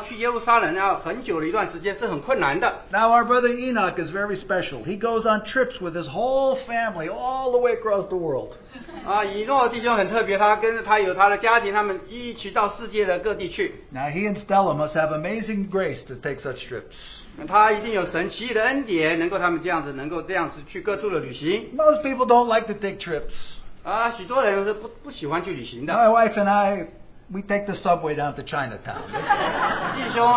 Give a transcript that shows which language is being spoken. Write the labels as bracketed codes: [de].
[zh] 知道那时候要如果要整个家庭要去耶路撒冷要很久的一段时间是很困难的。 [en] Now our brother Enoch is very special. He goes on trips with his whole family all the way across the world. [zh] 以诺弟兄很特别，他跟他有他的家庭，他们一起到世界的各地去。 [en] Now he and Stella must have amazing grace to take such trips. [zh] 他一定有神奇的恩典，能够他们这样子，能够这样子去各处的旅行。 [en] Most people don't like to take trips. [zh] 许多人是不喜欢去旅行的。 [en] My wife and I, we take the subway down to Chinatown.